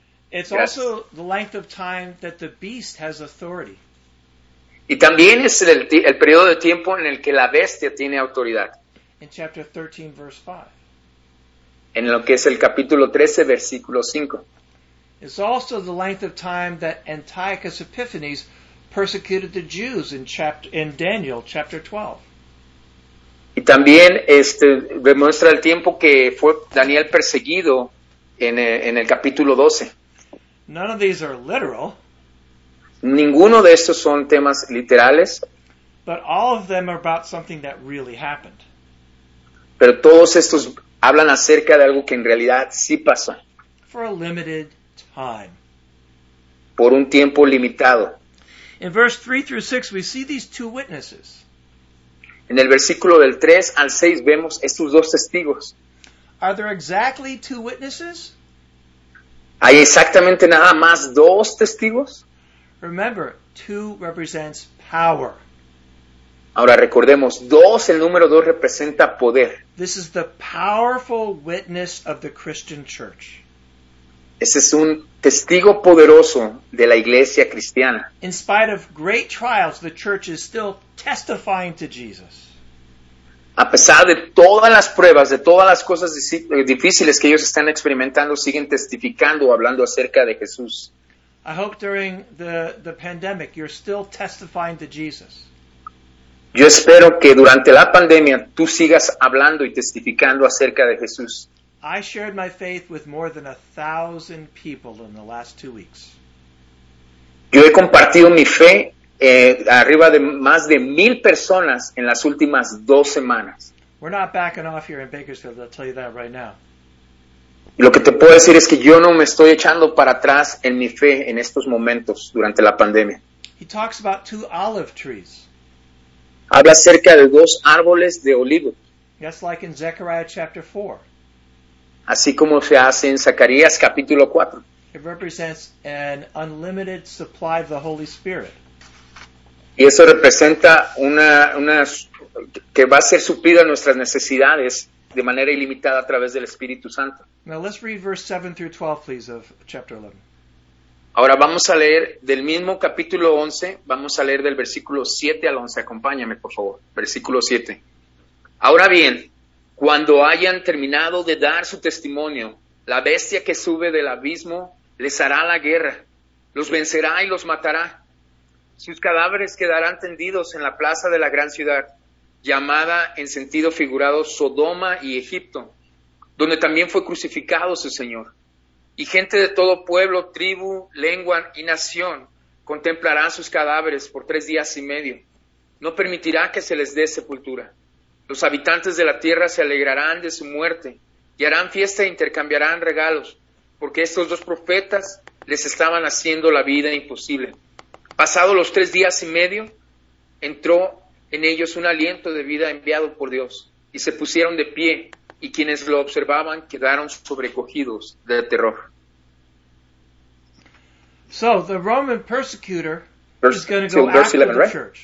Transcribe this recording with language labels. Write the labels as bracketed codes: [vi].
[en] It's also the length of time that the beast has authority. [es] Y también es el periodo de tiempo en el que la bestia tiene autoridad. [en] In chapter 13, verse 5. [es] En lo que es el capítulo 13, versículo 5. [en] It's also the length of time that Antiochus Epiphanes persecuted the Jews in Daniel chapter 12. [es] Y también demuestra el tiempo que fue Daniel perseguido en el capítulo 12. [en] None of these are literal. [es] Ninguno de estos son temas literales. [en] But all of them are about something that really happened. [es] Pero todos estos hablan acerca de algo que en realidad sí pasó. [en] For a limited time. [es] Por un tiempo limitado. [en] In verse 3 through 6, we see these two witnesses. [es] En el versículo del 3 al 6, vemos estos dos testigos. [en] Are there exactly two witnesses? [es] ¿Hay exactamente nada más dos testigos? [en] Remember, two represents power. [es] Ahora recordemos, dos, el número dos representa poder. [en] This is the powerful witness of the Christian church. [es] Ese es un testigo poderoso de la iglesia cristiana. [en] In spite of great trials, the church is still testifying to Jesus. [es] A pesar de todas las pruebas, de todas las cosas difíciles que ellos están experimentando, siguen testificando, hablando acerca de Jesús. [en] I hope during the pandemic you're still testifying to Jesus. [es] Yo espero que durante la pandemia tú sigas hablando y testificando acerca de Jesús. [en] I shared my faith with more than 1,000 people in the last 2 weeks. [es] Yo he compartido mi fe arriba de más de 1,000 personas en las últimas 2 semanas. [en] We're not backing off here in Bakersfield, I'll tell you that right now. [es] Lo que te puedo decir es que yo no me estoy echando para atrás en mi fe en estos momentos durante la pandemia. [en] He talks about 2 olive trees. [es] Habla acerca de 2 árboles de olivo. [en] Just like in Zechariah chapter 4. [es] Así como se hace en Zacarías capítulo 4. [en] It represents an unlimited supply of the Holy Spirit. [es] Y eso representa una que va a ser suplida nuestras necesidades de manera ilimitada a través del Espíritu Santo. [en] Now let's read verse 7 through 12, please, of chapter 11. [es] Ahora vamos a leer del mismo capítulo 11, vamos a leer del versículo 7 al 11. Acompáñame, por favor. Versículo 7. Ahora bien, cuando hayan terminado de dar su testimonio, la bestia que sube del abismo les hará la guerra, los vencerá y los matará. Sus cadáveres quedarán tendidos en la plaza de la gran ciudad, llamada en sentido figurado Sodoma y Egipto, donde también fue crucificado su Señor. Y gente de todo pueblo, tribu, lengua y nación contemplará sus cadáveres por 3 días y medio. No permitirá que se les dé sepultura. Los habitantes de la tierra se alegrarán de su muerte y harán fiesta e intercambiarán regalos, porque estos 2 profetas les estaban haciendo la vida imposible. Pasados los 3 días y medio, entró en ellos un aliento de vida enviado por Dios, y se pusieron de pie, y quienes lo observaban quedaron sobrecogidos de terror. [en] So, the Roman persecutor is going to go after 11, the church.